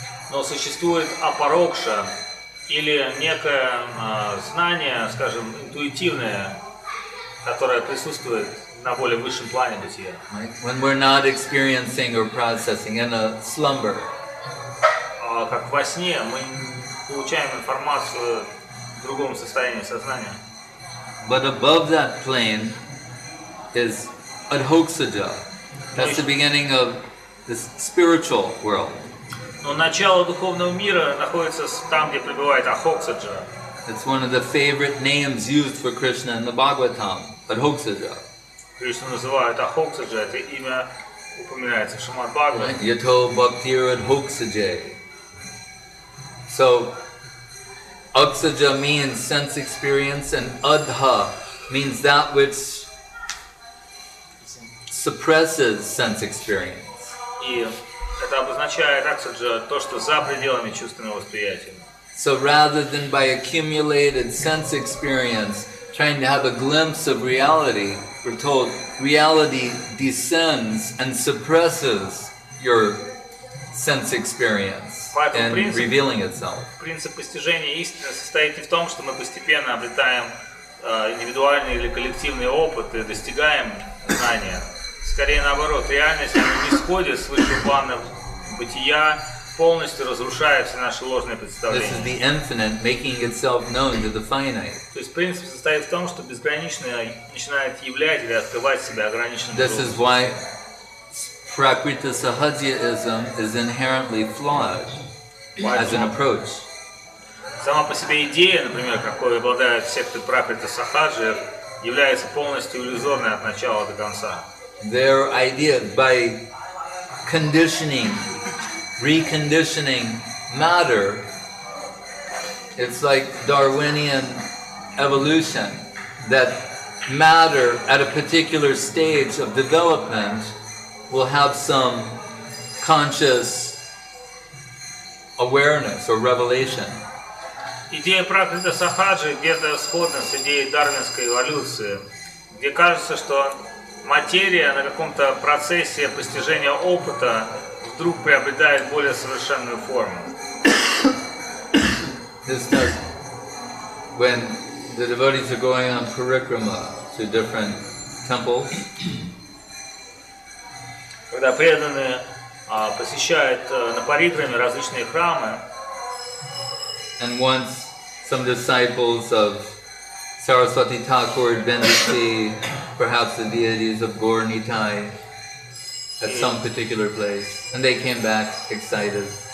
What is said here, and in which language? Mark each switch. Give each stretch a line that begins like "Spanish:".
Russian: Но существует aparoksha или некое знание, скажем, интуитивное. Которая присутствует на более высшем плане бытия.
English: Right? When we're not experiencing or processing in a slumber.
Russian: Как во сне мы получаем информацию в другом состоянии сознания.
English: But above that plane is adhoksaja. That's the beginning of the spiritual world.
Russian: Но начало духовного мира находится там, где пребывает адхоксаджа.
English: It's one of the favorite names used for Krishna in the Bhagavatam. Adhoksaja.
Russian: Krishna называет Adhoksaja, это имя упоминается в Шримад Бхагаватам.
Sanskrit: Yato Bhaktir Adhoksaja.
English: So, Adhoksaja means sense experience and Adha means that which suppresses sense experience.
Russian: И это обозначает Adhoksaja то, что за пределами чувственного восприятия.
English: So rather than by accumulated sense experience, trying to have a glimpse of reality, we're told reality descends and suppresses your sense experience and revealing itself.
Russian: Принцип постижения истины состоит не в том, что мы постепенно обретаем индивидуальный или коллективный опыт и достигаем знания. Скорее наоборот, реальность не сходит с высших планов бытия, полностью разрушая все наши ложные представления.
English: This is the infinite making itself known to the finite.
Russian: То есть принцип состоит в том, что безграничное начинает являть или открывать себя ограниченным.
English: This is why Prakriti Sahajyaism is inherently flawed as an approach.
Russian: Сама по себе идея, например, какой обладает секта Пракрита Сахаджи, является полностью иллюзорной от начала до конца.
English: Their idea by conditioning reconditioning matter, it's like Darwinian evolution, that matter at a particular stage of development will have some conscious awareness or revelation.
Russian: Идея Пракрита Сахаджи где-то сходна с идеей дарвинской эволюции, где кажется, что материя на каком-то процессе постижения опыта вдруг приобретает более совершенную форму.
English: This does when the devotees are going on parikrama to different temples.
Russian: Когда преданные посещают на парикраме различные храмы.
English: And once some disciples of Saraswati Thakur, Bendisi, perhaps the deities of Gaur Nithai at some particular place, and they came back excited.